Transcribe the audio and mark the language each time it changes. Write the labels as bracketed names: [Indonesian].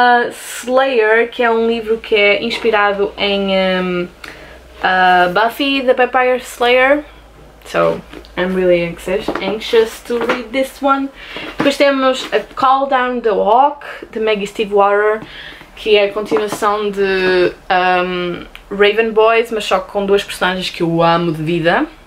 [Portuguese] Slayer, que é um livro que é inspirado em Buffy the Vampire Slayer. [English] So, I'm really anxious to read this one. [Portuguese] Depois temos A Call Down the Hawk, de Maggie Stiefwater, que é a continuação de Raven Boys, mas só com duas personagens que eu amo de vida.